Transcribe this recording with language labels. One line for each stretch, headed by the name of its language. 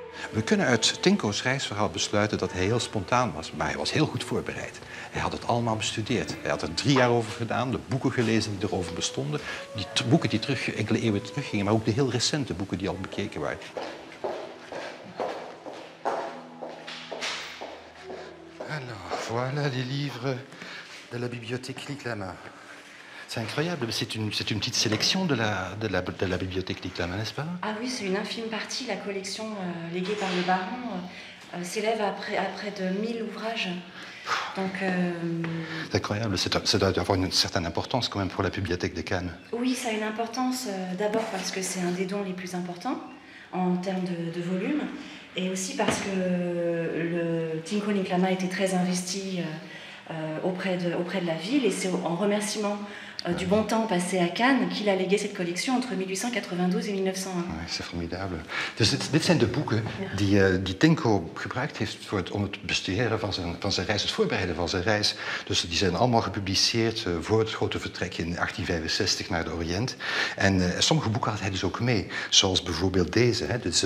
Dutch: We kunnen uit Tinko's reisverhaal besluiten dat hij heel spontaan was, maar hij was heel goed voorbereid. Hij had het allemaal bestudeerd. Hij had er 3 jaar over gedaan, de boeken gelezen die erover bestonden. Die boeken die terug, enkele eeuwen teruggingen, maar ook de heel recente boeken die al bekeken waren.
French: Alors, voilà les livres de la Bibliothèque Liclamin. C'est incroyable, c'est une petite sélection de la bibliothèque Liclamin, n'est-ce pas? Ah oui, c'est une infime partie, la collection léguée par le baron s'élève à près de 1000 ouvrages. Donc, c'est incroyable, ça doit avoir une certaine importance quand même pour la bibliothèque des Cannes. Oui, ça a une importance d'abord parce que c'est un des dons les plus importants en termes de volume et aussi parce que le Tinko Liclamin était très investi auprès de la ville et c'est en remerciement du bon temps passé à Cannes qu'il a légué cette collection entre 1892 et 1901. Ouais, c'est formidable.
Dutch: Dus dit zijn de boeken die Tinko gebruikt heeft voor het, om het bestuderen van zijn reis, het voorbereiden van zijn reis. Dus die zijn allemaal gepubliceerd voor het grote vertrek in 1865 naar de Oriënt. En sommige boeken had hij dus ook mee, zoals bijvoorbeeld deze. Hè.